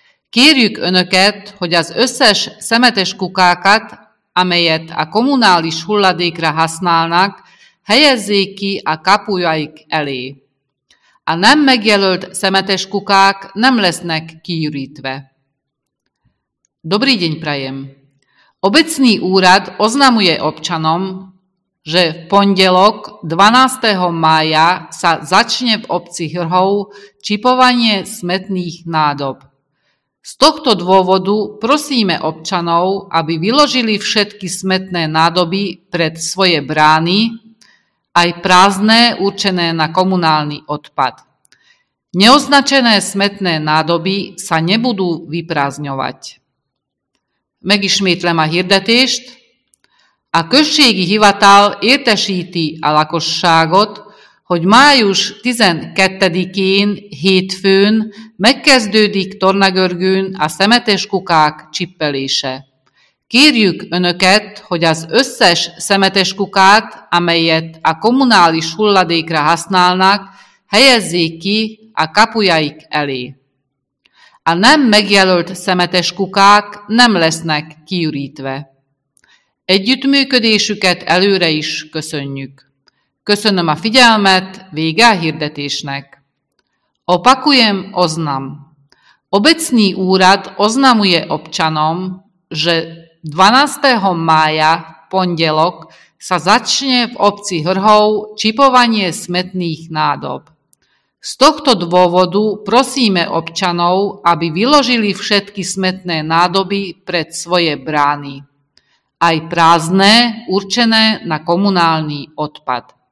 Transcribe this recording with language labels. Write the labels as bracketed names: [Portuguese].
[Hungarian] Kérjük Önöket, hogy az összes szemetes kukákat, amelyet a kommunális hulladékra használnak, helyezzék ki a kapujaik elé. A nem megjelölt szemetes kukák nem lesznek kiürítve. [Slovak] Dobrý deň prajem. Obecný úrad oznamuje občanom, že v pondelok 12. mája sa začne v obci Hrhov čipovanie smetných nádob. Z tohto dôvodu prosíme občanov, aby vyložili všetky smetné nádoby pred svoje brány, aj prázdne určené na komunálny odpad. Neoznačené smetné nádoby sa nebudú vyprázdňovať. [Hungarian] Megismétlem a hirdetést. A községi hivatal értesíti a lakosságot, hogy május 12-én hétfőn megkezdődik Tornagörgőn a szemetes kukák csippelése. Kérjük Önöket, hogy az összes szemetes kukát, amelyet a kommunális hulladékra használnak, helyezzék ki a kapujaik elé. A nem megjelölt szemetes kukák nem lesznek kiürítve. Együttműködésüket előre is köszönjük. Köszönöm a figyelmet, vége a hirdetésnek. [Slovak] Opakujem oznam. Obecný úrad oznamuje občanom, že 12. mája, pondelok, sa začne v obci Hrhov čipovanie smetných nádob. Z tohto dôvodu prosíme občanov, aby vyložili všetky smetné nádoby pred svoje brány. Aj prázdne, určené na komunálny odpad.